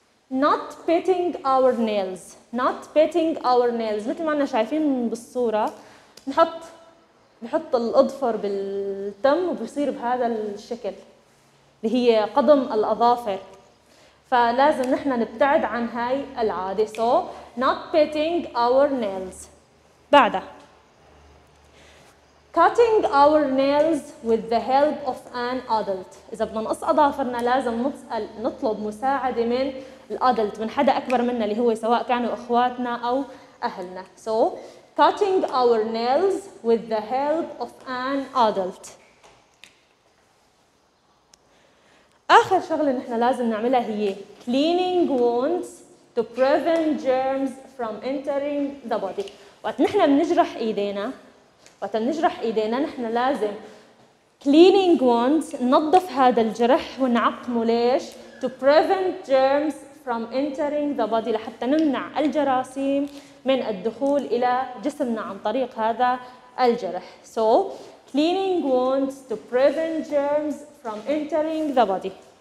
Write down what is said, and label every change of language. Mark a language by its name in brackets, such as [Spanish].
[English] Not biting our nails. Not biting our nails. [Arabic] مثل ما احنا شايفين بالصورة, نحط بحط الأظفر بالتم وبصير بهذا الشكل. اللي هي قضم الأظافر. فلازم نحن نبتعد عن هاي العادة. [English] So not painting our nails. [Arabic] بعدها [English] cutting our nails with the help of an adult. [Arabic] إذا بدنا نقص أظافرنا لازم نطلب مساعدة من الأدلت، من حدا أكبر منا اللي هو سواء كانوا إخواتنا أو أهلنا. [English] So cutting our nails with the help of an adult. [Arabic] آخر شغلة نحن لازم نعملها هي [English] cleaning wounds to prevent germs from entering the body. [Arabic] وقت نحن بنجرح إيدينا، وقت نجرح إيدينا نحن لازم [English] cleaning wounds، [Arabic] ننظف هذا الجرح ونعقمه. ليش؟ [English] to prevent germs from entering the body، [Arabic] لحتى نمنع الجراثيم من الدخول إلى جسمنا عن طريق هذا الجرح. [English] So cleaning wounds to prevent germs from entering the body.